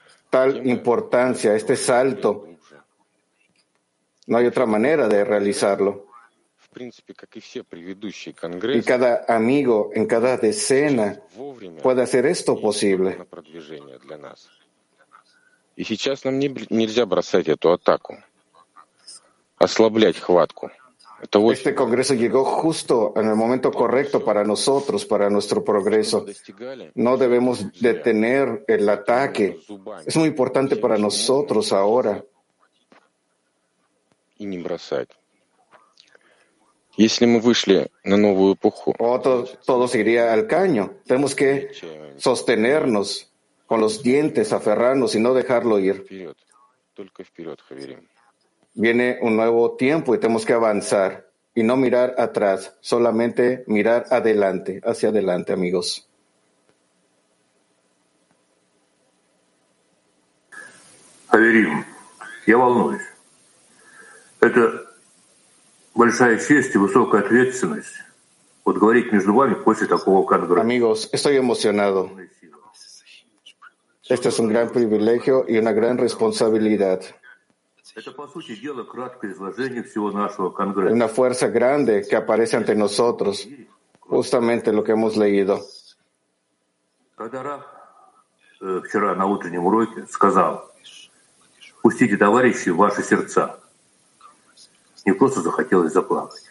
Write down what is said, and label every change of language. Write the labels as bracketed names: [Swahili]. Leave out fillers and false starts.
[Spanish] Tal importancia, este salto, no hay otra manera de realizarlo. [Russian] В принципе, как и все предыдущие конгрессы. [Spanish] И cada amigo en cada decena puede hacer esto posible. [Russian] Продвижение для нас. И сейчас нам нельзя бросать эту атаку, ослаблять хватку. Это очень... [Spanish] Este congreso llegó justo en el momento correcto para nosotros, para nuestro progreso. No debemos detener el ataque. Es muy importante para nosotros ahora. [Russian] И не бросать. Если мы вышли на новую эпоху, [Spanish] todo iría al caño. Tenemos que sostenernos con los dientes, aferrarnos y no dejarlo ir. [Russian] Только вперед, Хаверим. [Spanish] Viene un nuevo tiempo y tenemos que avanzar y no mirar atrás, solamente mirar adelante, hacia adelante, amigos. [Russian] Хаверим, я волнуюсь. Это большая честь и высокая ответственность вот говорить между вами после такого конгресса. [Spanish] Amigos, estoy emocionado. Este es un gran privilegio y una gran responsabilidad. [Russian] Это, по сути дела, краткое изложение всего нашего конгресса. [Spanish] Una fuerza grande que aparece ante nosotros, justamente lo que hemos leído. [Russian] Когда Раф вчера на утреннем уроке сказал: «Пустите, товарищи, в ваши сердца». Мне просто захотелось заплакать.